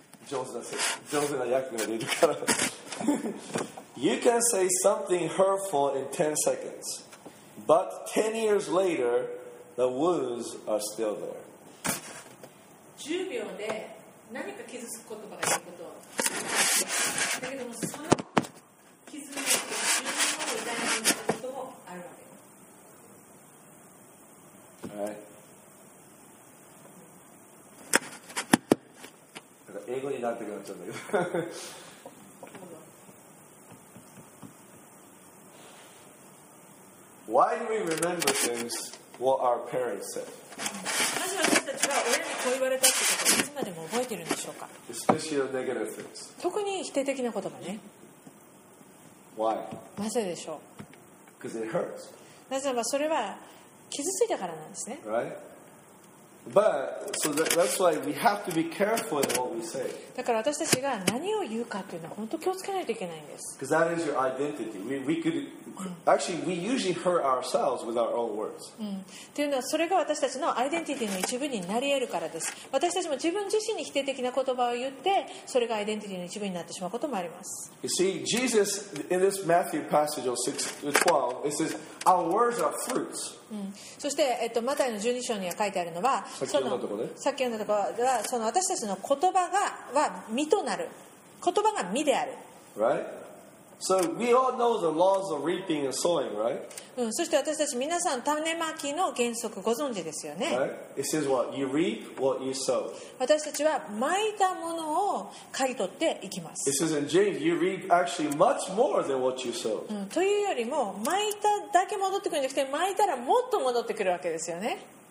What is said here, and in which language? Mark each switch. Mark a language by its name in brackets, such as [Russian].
[English] You can say something hurtful in 10 seconds, but 10 years later, the wounds are still there. [Japanese] 10秒で何か傷つく言葉が言うことだけども、その傷によって10秒を痛めることもあるわけ。 [English] Alright. [Japanese] 英語になってくなっちゃうんだけど。 [English] Why do we remember things what our parents said? [Japanese] なぜ私たちは親にこう言われたってことをいつまでも覚えてるんでしょうか。 [English] Especially the negative things。 [Japanese] 特に否定的な言葉ね。 [English] Why? [Japanese] なぜでしょう。 [English] Because it hurts。 [Japanese] なぜならそれは傷ついたからなんですね。 [English] Right? But so that's why we have to be careful in what we say. [Japanese] だから私たちが何を言うかというのは本当に気をつけないといけないんです。 [English] Because that is your identity. We could actually we usually hurt ourselves with our own words. [Japanese] というのはそれが私たちのアイデンティティの一部になり得るからです。私たちも自分自身に否定的な言葉を言って、それがアイデンティティの一部になってしまうこともあります。 [English] You see, Jesus in this Matthew passage of 6-12, it says. Our words are fruits. [Japanese] そして、マタイの12章には書いてあるのは、さっき読んだところでは、その私たちの言葉がは実となる。言葉が実である。 [English] Right? So we all know the laws of reaping and sowing, right? [Japanese] そして私たち皆さん種まきの原則ご存知ですよね。 [English] Right? It says what you reap, what you sow. [Japanese] 私たちは蒔いたものを刈り取っていきます。 [English] It says in James, you reap actually much more than what you sow. [Japanese] というよりも蒔いただけ戻ってくるんじゃなくて、蒔いたらもっと戻ってくるわけですよね。